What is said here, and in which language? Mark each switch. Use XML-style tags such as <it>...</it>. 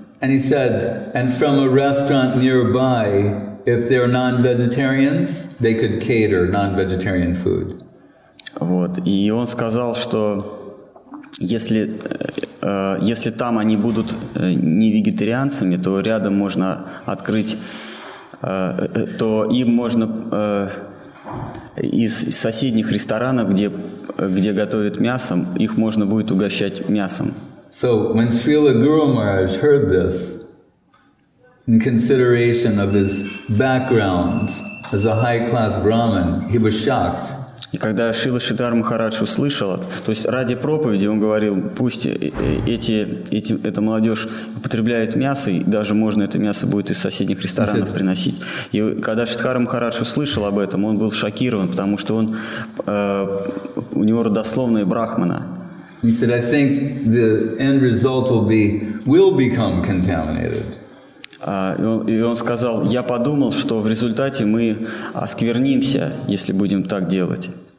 <en>And he said, and from a restaurant nearby, if they're non-vegetarians, they could cater non-vegetarian food.</en> <ru>Вот. И он сказал, что если если там они будут не вегетарианцами, то рядом можно открыть, то им можно из соседних ресторанов, где готовят мясо, их можно будет угощать мясом.</ru> <en>So when Srila Guru Maharaj heard this, in consideration of his background as a high-class Brahmin, he was shocked.</en> <ru>И когда Шрила Шридхар Махарадж услышал, то есть ради проповеди он говорил, пусть эта молодежь употребляет мясо, и даже можно это мясо будет из соседних ресторанов приносить. И когда Шридхар Махарадж услышал об этом, он был шокирован, потому что он у него родословная брахмана.</ru> <en>He said, I think the end result will become contaminated.</en> <ru>И он сказал, я подумал, что в результате мы осквернимся, если будем так делать.</ru>